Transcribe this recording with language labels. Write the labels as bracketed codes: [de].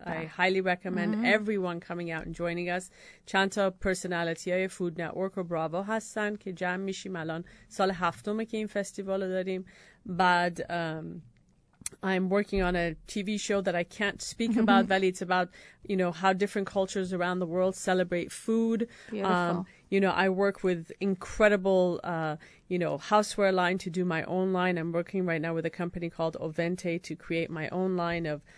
[en] I highly recommend everyone coming out and joining us. [fa] چند تا پرسنالیتی های فود نتورک و براوو هستن که جمع میشیم الان سال هفتمه که این فستیوال رو داریم. [en] بعد I'm working on a TV show that I can't speak about, Valley. It's about, you know, how different cultures around the world celebrate food. You know, I work with incredible, you know, houseware line to do my own line. I'm working right now with a company called Ovente to create my own line of